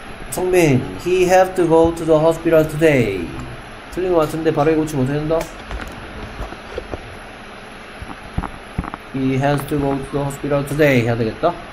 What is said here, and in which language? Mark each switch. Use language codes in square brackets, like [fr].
[en] 성민, he have to go to the hospital today. [ko] 틀린 것 같은데 바로 고치 못한다. [en] He has to go to the hospital today [ko] 해야 되겠다.